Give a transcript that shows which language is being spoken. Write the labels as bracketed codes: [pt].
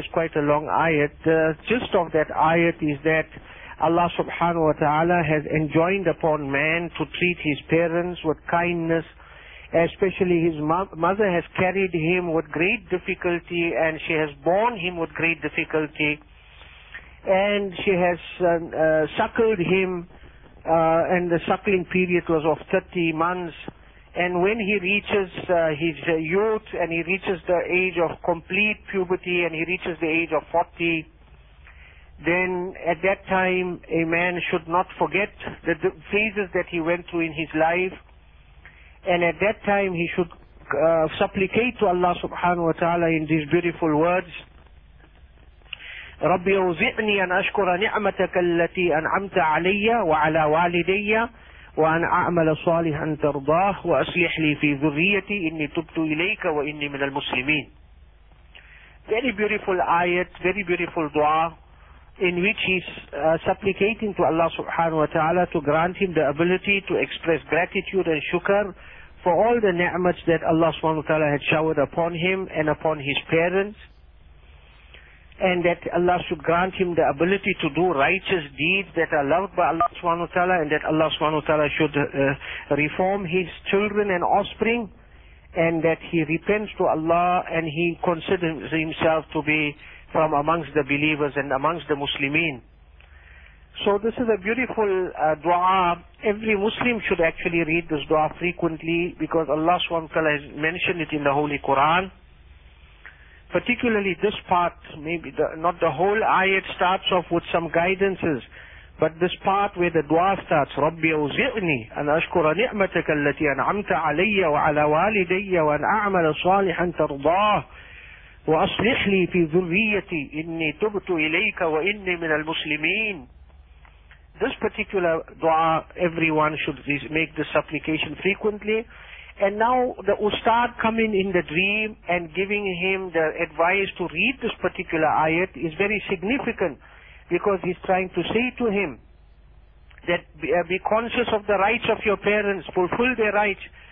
[en] Is quite a long ayat. The gist of that ayat is that Allah subhanahu wa ta'ala has enjoined upon man to treat his parents with kindness, especially his mother has carried him with great difficulty and she has borne him with great difficulty and she has suckled him and the suckling period was of 30 months. And when he reaches his youth and he reaches the age of complete puberty and he reaches the age of 40, then at that time a man should not forget the phases that he went through in his life. And at that time he should supplicate to Allah subhanahu wa ta'ala in these beautiful words, [ar] رَبِّ أَوْزِعْنِي أَنْ أَشْكُرَ نِعْمَتَكَ الَّتِي أَنْعَمْتَ عَلَيَّ وَعَلَى وَالِدَيَّ وَأَنْ أَعْمَلَ صَالِحًا تَرْضَاهُ وَأَصْلِحْ لِي فِي ذُرِّيَّتِي إِنِّي تُبْتُ إِلَيْكَ وَإِنِّي مِنَ الْمُسْلِمِينَ. [en] Very beautiful ayat, very beautiful dua, in which he's supplicating to Allah subhanahu wa ta'ala to grant him the ability to express gratitude and shukr for all the ni'mats that Allah subhanahu wa ta'ala had showered upon him and upon his parents, and that Allah should grant him the ability to do righteous deeds that are loved by Allah subhanahu wa ta'ala, and that Allah subhanahu wa ta'ala should reform his children and offspring, and that he repents to Allah and he considers himself to be from amongst the believers and amongst the Muslimin. So this is a beautiful dua. Every Muslim should actually read this dua frequently because Allah subhanahu wa ta'ala has mentioned it in the Holy Quran. Particularly this part, maybe not the whole ayat starts off with some guidances, but this part where the dua starts, [ar] رَبِّ أَوْزِعْنِي أَنْ أَشْكُرَ نِعْمَتَكَ الَّتِي أَنْعَمْتَ عَلَيَّ وَعَلَى وَالِدَيَّ وَأَنْ أَعْمَلَ صَالِحًا تَرْضَاهُ وَأَصْلِحْ لِي فِي ذُرِّيَّتِي إِنِّي تُبْتُ إِلَيْكَ وَإِنِّي مِنَ الْمُسْلِمِينَ. [en] This particular dua, everyone should make this supplication frequently. And now the ustad coming in the dream and giving him the advice to read this particular ayat is very significant because he's trying to say to him that be conscious of the rights of your parents, fulfill their rights.